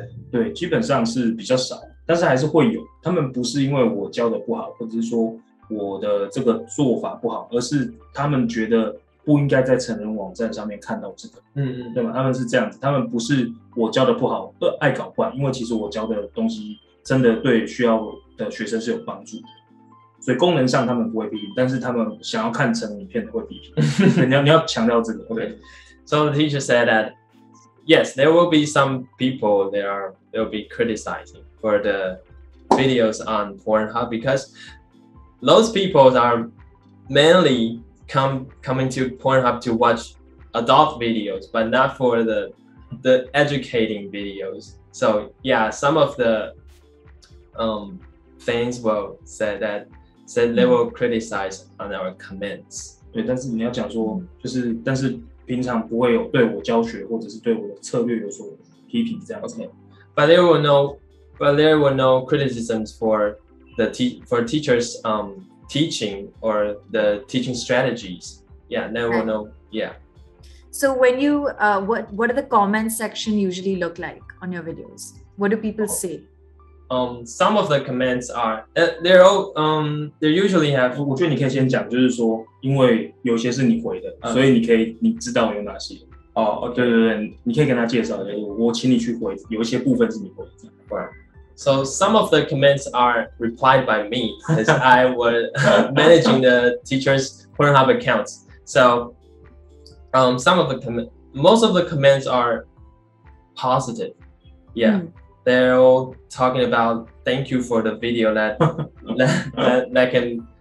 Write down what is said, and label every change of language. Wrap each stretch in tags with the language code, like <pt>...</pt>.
<zh>对，基本上是比较少，但是还是会有。他们不是因为我教的不好，或者是说我的这个做法不好，而是他们觉得不应该在成人网站上面看到这个。嗯嗯，对吧？他们是这样子，他们不是我教的不好，爱搞怪，因为其实我教的东西真的对需要的学生是有帮助的。所以功能上他们不会批评，但是他们想要看成人影片的会批评。你要强调这个。OK，</zh> <en>so the teacher said that. Yes, there will be some people that will be criticizing for the videos on Pornhub because those people are mainly coming to Pornhub to watch adult videos, but not for the educating videos. So yeah, some of the fans will said they will criticize on our comments.</en> <zh>对，但是你要讲说，就是但是。平常不会有对我教学或者是对我的策略有所批评这样子。</zh> <en>Okay. But there were no criticisms for teachers teaching or the teaching strategies. Yeah, there were no. Yeah. So when you what do the comment section usually look like on your videos? What do people say? Some of the comments are they're all they usually have.</en> <zh>我觉得你可以先讲，就是说。因为有些是你回的，所以你知道有哪些。</zh> <en>哦、okay.</en> <zh>对对对，你可以跟他介绍一下。我请你去回，有一些部分是你回的。</zh> <en>So some of the comments are replied by me, because I was managing the teacher's Pornhub accounts. So most of the comments are positive. Yeah, they're all talking about thank you for the video that can.</en>